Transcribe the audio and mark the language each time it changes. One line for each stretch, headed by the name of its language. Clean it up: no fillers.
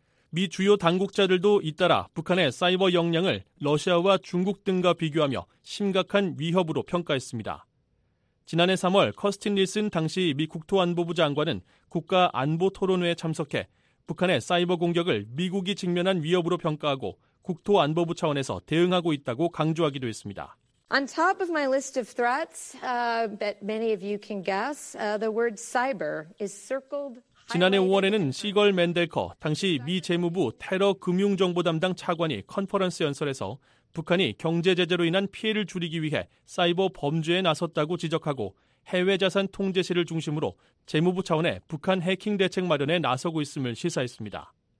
Korean: 미 주요 당국자들도 잇따라 북한의 사이버 역량을 러시아와 중국 등과 비교하며 심각한 위협으로 평가했습니다. 지난해 3월 커스틴 닐슨 당시 미 국토안보부 장관은 국가안보토론회에 참석해 북한의 사이버 공격을 미국이 직면한 위협으로 평가하고 국토안보부 차원에서 대응하고 있다고 강조하기도 했습니다.
English: On top of my list of threats, but many of you can guess, the word cyber is circled.
Korean: 지난해 5월에는 시걸 맨델커, 당시 미 재무부 테러 금융정보 담당 차관이 컨퍼런스 연설에서 북한이 경제 제재로 인한 피해를 줄이기 위해 사이버 범죄에 나섰다고 지적하고 해외 자산 통제실을 중심으로 재무부 차원의 북한 해킹 대책 마련에 나서고 있음을 시사했습니다.